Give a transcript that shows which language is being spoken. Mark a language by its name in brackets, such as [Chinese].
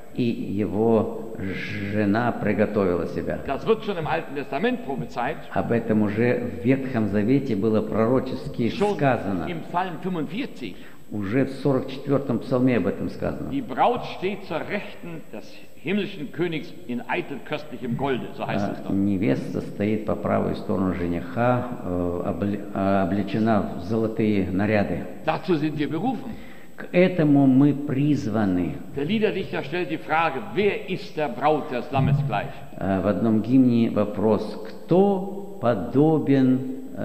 [Russian] И его жена приготовила себя. [German] Das wird schon im Alten Testament prophezeit. [Russian] Об этом уже в Ветхом Завете было пророчески [German] schon [Russian] сказано. [German] Im Psalm 45. [Russian] Уже в 44-м псалме об этом сказано. [German] Die Braut steht zur Rechten des himmlischen Königs in eitel köstlichem Golde, so heißt es doch. [Russian] Невеста стоит по правую сторону жениха, облечена в золотые наряды. [German] Dazu sind wir berufen. [Russian] К этому мы призваны. [German] Der Liederdichter stellt die Frage, wer ist der Braut des Lammes gleich? [Russian] В одном гимне вопрос, кто подобен...